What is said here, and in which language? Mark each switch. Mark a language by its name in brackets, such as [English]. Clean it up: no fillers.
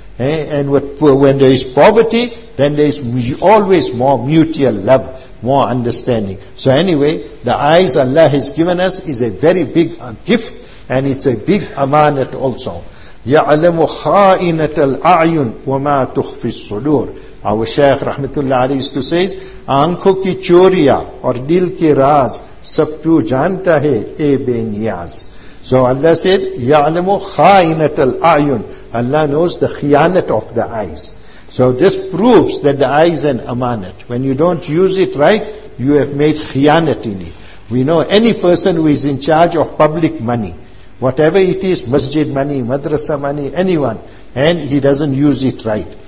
[English] And with poor, when there is poverty, then there is always more mutual love, more understanding. So anyway, the eyes Allah has given us is a very big gift and it's a big amanat also. [Arabic] يَعْلَمُ خَائِنَةَ الْأَعْيُنِ وَمَا تُخْفِي الصُّدُورِ. [English] Our Shaykh Rahmatullah Ali used to say, [Urdu] آنکھوں کی چوریہ اور دل کی راز سب تو جانتا ہے اے بے نیاز. [English] So Allah said, [Arabic] يَعْلَمُ خَائِنَةَ الْأَعْيُنِ. [English] Allah knows the khianat of the eyes. So this proves that the eye is an amanat. When you don't use it right, you have made khianat in it. We know any person who is in charge of public money, whatever it is, masjid money, madrasa money, anyone, and he doesn't use it right.